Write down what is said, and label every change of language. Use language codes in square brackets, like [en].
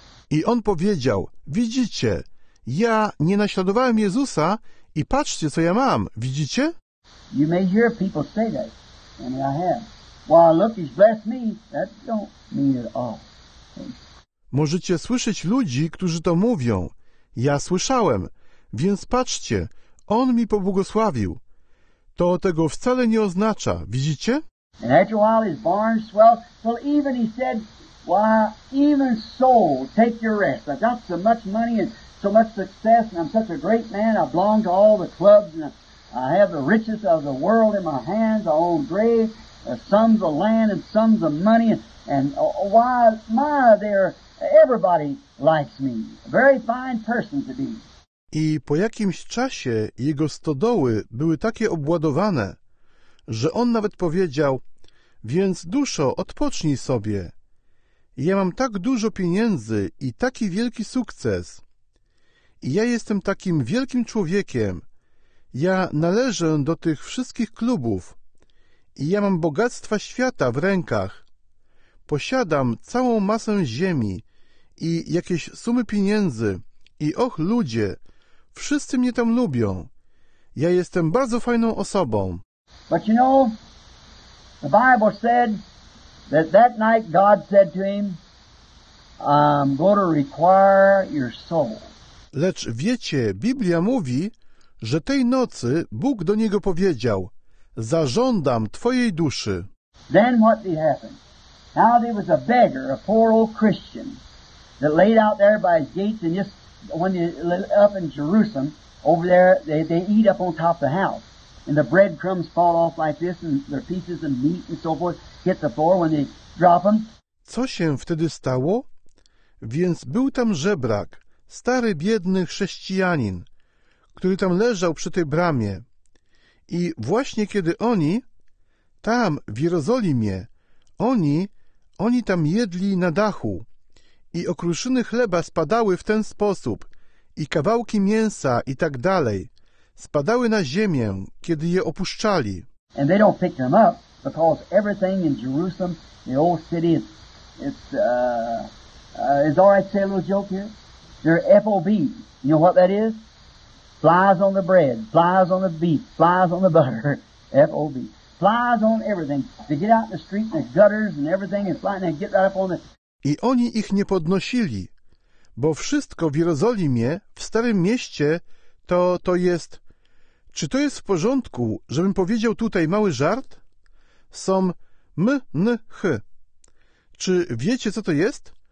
[pl] I on powiedział, widzicie, ja nie naśladowałem Jezusa i patrzcie, co ja mam, widzicie? [en] You may hear people say that, and I have. Well, look, he's blessed me. That don't mean it all. [pl] Możecie słyszeć ludzi, którzy to mówią. Ja słyszałem, więc patrzcie, on mi pobłogosławił. To tego wcale nie oznacza, widzicie? [en] And after a while his barns swelled. Well, even he said, why, even so, take your rest. I've got so much money and so much success and I'm such a great man. I belong to all the clubs and I have the riches of the world in my hands. I own graves. Sums of land and sums of money and why, my, there, everybody likes me. Very fine person to be. [pl] I po jakimś czasie jego stodoły były takie obładowane, że on nawet powiedział, więc duszo, odpocznij sobie. Ja mam tak dużo pieniędzy i taki wielki sukces. I ja jestem takim wielkim człowiekiem. Ja należę do tych wszystkich klubów. I ja mam bogactwa świata w rękach. Posiadam całą masę ziemi i jakieś sumy pieniędzy. I och, ludzie, wszyscy mnie tam lubią. Ja jestem bardzo fajną osobą. [en] But you know, the Bible said that night God said to him, I'm going to require your soul. [pl] Lecz wiecie, Biblia mówi, że tej nocy Bóg do niego powiedział, zażądam twojej duszy. Then what happened? [en] Now there was a beggar, a poor old Christian, that laid out there by his gates and just when they up in Jerusalem, over there they eat up on top of the house. And the breadcrumbs fall off like this, and their pieces of meat and so forth hit the floor when they drop them. [pl] Co się wtedy stało? Więc był tam żebrak, stary biedny chrześcijanin, który tam leżał przy tej bramie. I właśnie kiedy oni, tam w Jerozolimie, oni tam jedli na dachu. I okruszyny chleba spadały w ten sposób, i kawałki mięsa i tak dalej. Spadały na ziemię, kiedy je opuszczali. [en] And they don't pick them up because everything in Jerusalem, the old city, it's all right to say a little joke here? They're FOB. You know what that is? Flies on the bread, flies on the beef, flies on the butter. FOB. Flies on everything. They get out in the street, the gutters and everything, and fly, and they get right up on the... [pl] I oni ich nie podnosili, bo wszystko w Jerozolimie, w Starym Mieście, to jest... Czy to jest w porządku, żebym powiedział tutaj mały żart? Są m, n, h. Czy wiecie, co to jest?